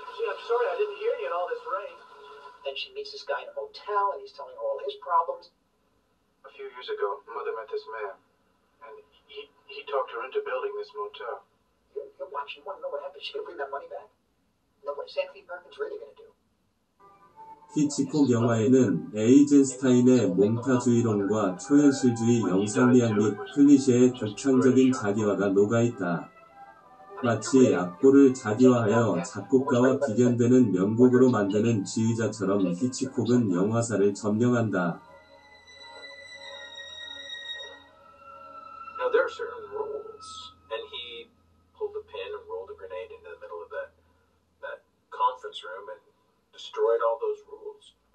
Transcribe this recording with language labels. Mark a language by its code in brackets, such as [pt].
[en] See, I'm sorry, I didn't hear you in all this rain. Then she meets this guy in a motel, and he's telling her all his problems. A few years ago, Mother met this man, and he talked her into building this motel. You're watching, you want to know what happened? She can bring that money back. Nobody, San Fe Bergman's really going to do. [ko] 히치콕 영화에는 에이젠스타인의 몽타주의론과 초현실주의 영상미학 및 클리셰의 격창적인 자기화가 녹아있다. 마치 악보를 자기화하여 작곡가와 비견되는 명곡으로 만드는 지휘자처럼 히치콕은 영화사를 점령한다. [en] Now there are certain rules, and he pulled a pin and rolled a grenade into the middle of that conference room and destroyed all those rules.